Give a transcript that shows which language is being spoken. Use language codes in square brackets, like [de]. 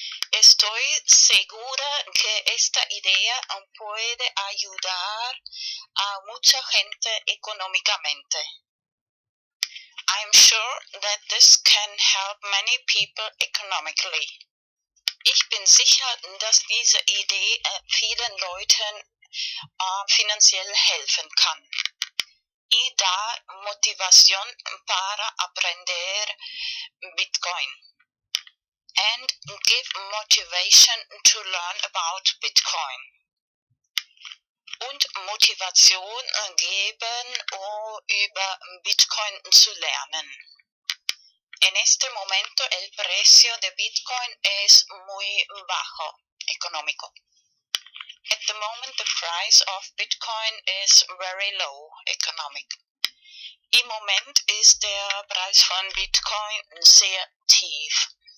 [es] Estoy segura que esta idea puede ayudar a mucha gente económicamente. [en] I'm sure that this can help many people economically. [de] Ich bin sicher, dass diese Idee vielen Leuten finanziell helfen kann. [es] Y da Motivation para aprender Bitcoin. [en] And give motivation to learn about Bitcoin. [de] Und Motivation geben, um über Bitcoin zu lernen. [es] En este momento el precio de Bitcoin es muy bajo, económico. [en] At the moment the price of Bitcoin is very low, economic. [de] Im Moment ist der Preis von Bitcoin sehr tief.